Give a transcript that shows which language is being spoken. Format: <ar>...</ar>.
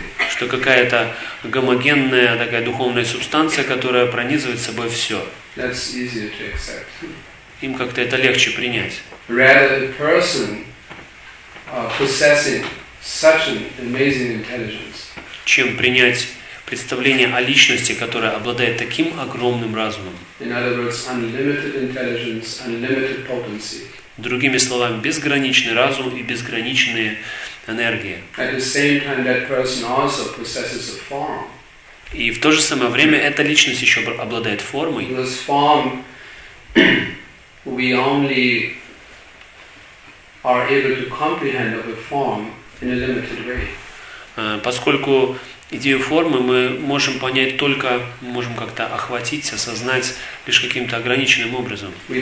<ru>Что какая-то гомогенная такая духовная субстанция, которая пронизывает собой все.</ru> <en>That's easier to accept.</en> <ru>Им как-то это легче принять.</ru> <en>Rather a person possessing such an amazing intelligence.</en> <ru>Чем принять представление о личности, которая обладает таким огромным разумом.</ru> <en>In other words, unlimited intelligence, unlimited potency.</en> <ru>Другими словами, безграничный разум и безграничные энергии.</ru> <en>At the same time, that person also possesses a form.</en> <ru>И в то же самое время эта личность еще обладает формой.</ru> <en>This form we only are able to comprehend of a form in a limited way.</en> <ru>Поскольку идею формы мы можем понять только, мы можем как-то охватить, осознать лишь каким-то ограниченным образом.</ru>